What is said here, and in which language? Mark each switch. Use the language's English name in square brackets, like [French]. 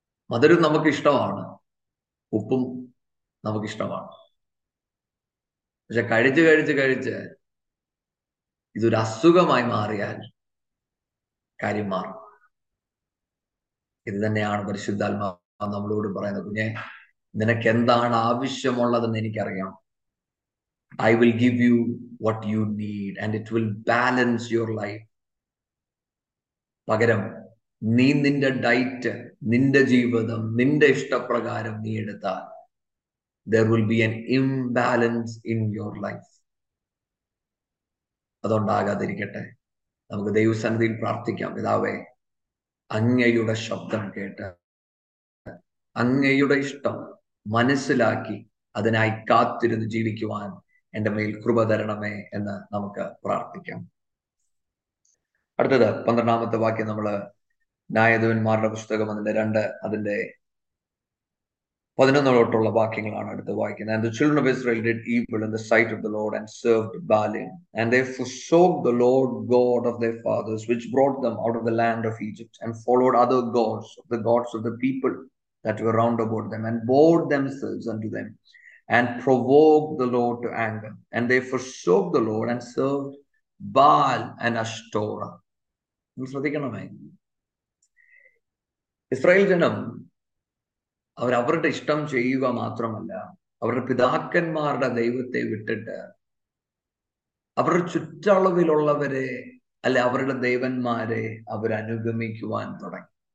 [Malayalam] മധുരം നമുക്ക് ഇഷ്ടമാണ്, ഉപ്പും നമുക്ക് ഇഷ്ടമാണ്, പക്ഷെ കഴിച്ച് കഴിച്ച് കഴിച്ച് ഇതൊരു അസുഖമായി മാറിയാൽ കാര്യം മാറും. ഇത് തന്നെയാണ് പരിശുദ്ധാത്മാവ് നമ്മളോട് പറയുന്നത്, കുഞ്ഞെ നിനക്ക് എന്താണ് ആവശ്യമുള്ളതെന്ന് എനിക്കറിയാം. [English] I will give you what you need and it will balance your life. [Malayalam] പകരം നീ നിന്റെ ഡയറ്റ്, നിന്റെ ജീവിതം, നിന്റെ ഇഷ്ടപ്രകാരം നീ എടുത്താൽ [English] there will be an imbalance in your life. [Malayalam] അതുകൊണ്ടാകാതിരിക്കട്ടെ. നമുക്ക് ദൈവസന്നിധിയിൽ പ്രാർത്ഥിക്കാം. പിതാവേ, അങ്ങയുടെ ശബ്ദം കേട്ട് അങ്ങയുടെ ഇഷ്ടം മനസ്സിലാക്കി അതിനായി കാത്തിരുന്ന് ജീവിക്കുവാൻ എന്റെ മേൽ കൃപ തരണമേ എന്ന് നമുക്ക് പ്രാർത്ഥിക്കാം. അടുത്തത് 12-ാമത്തെ വാക്യം, നമ്മള് ന്യായാധിപന്മാരുടെ പുസ്തകം അതിന്റെ 11-ലോട്ടുള്ള വാക്യങ്ങളാണ് അടുത്ത് വായിക്കുന്നത്. [English] And the children of Israel did evil in the sight of the Lord and served Balaam. And they forsook the Lord God of their fathers, which brought them out of the land of Egypt, and followed other gods, the gods of the people that were round about them, and bowed themselves unto them, and provoked the Lord to anger. And they forsook the Lord and served Baal and Ashtoreth. [Malayalam] Israel ജനം അവരവരുടെ ഇഷ്ടം ചെയ്യുക മാത്രമല്ല, അവരുടെ പിതാക്കന്മാരുടെ ദൈവത്തെ വിട്ടിട്ട് അവരുടെ ചുറ്റളവിലുള്ളവരെ അല്ലെ അവരുടെ ദൈവന്മാരെ അവരനുഗമിക്കുവാൻ തുടങ്ങി.